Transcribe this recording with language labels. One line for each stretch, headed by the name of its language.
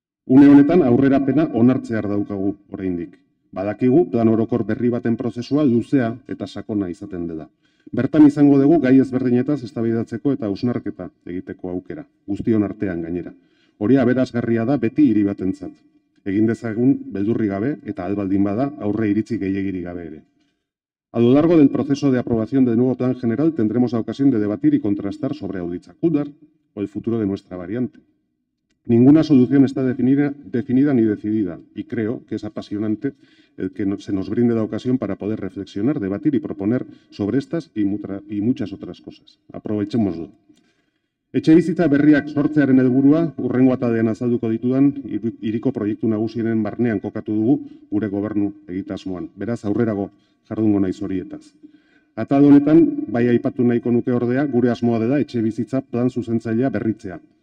Basque: Une honetan aurrerapena onartzear daukagu oraindik. Badakigu, plan orokor berri baten prozesua luzea eta sakona izaten dela. Bertan izango dugu gai ezberdinetaz eztabaidatzeko eta hausnarketa egiteko aukera, guztion artean gainera. Hori aberasgarria da beti hiri batentzat. egin dezagun beldurri gabe eta albaldin bada aurre iritzi gehiegirik gabe ere.
Spanish: A lo largo del proceso de aprobación del nuevo plan general tendremos la ocasión de debatir y contrastar sobre Auditza Cúdar o el futuro de nuestra variante. Ninguna solución está definida ni decidida y creo que es apasionante el que se nos brinde la ocasión para poder reflexionar, debatir y proponer sobre estas y muchas otras cosas. Aprovechémoslo.
Basque: Etxebizitza berriak sortzearen helburua urrengo atalean azalduko ditudan hiriko proiektu nagusienen barnean kokatu dugu gure gobernu egitasmoan. Beraz aurrerago jardungo naiz horietaz. Atal honetan bai aipatu nahiko nuke ordea gure asmoa dela etxebizitza plan zuzentzailea berritzea.